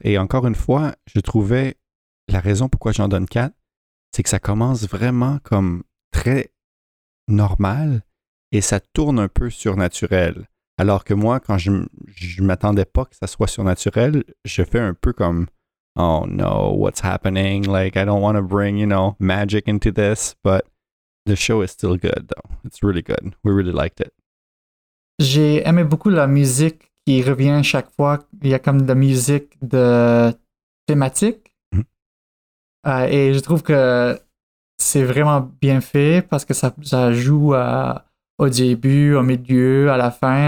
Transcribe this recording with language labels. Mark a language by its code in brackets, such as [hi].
[fr] Et encore une fois, je trouvais la raison pourquoi j'en donne 4, c'est que ça commence vraiment comme très normal et ça tourne un peu surnaturel. Alors que moi, quand je m'attendais pas que ça soit surnaturel, je fais un peu comme « [en] Oh no, what's happening? Like, I don't want to bring, you know, magic into this. » But the show is still good, though. It's really good. We really liked it. [fr] J'ai aimé beaucoup la musique qui revient chaque fois. Il y a comme de la musique de thématique. Mm-hmm. Et je trouve que c'est vraiment bien fait parce que ça joue au début, au milieu, à la fin.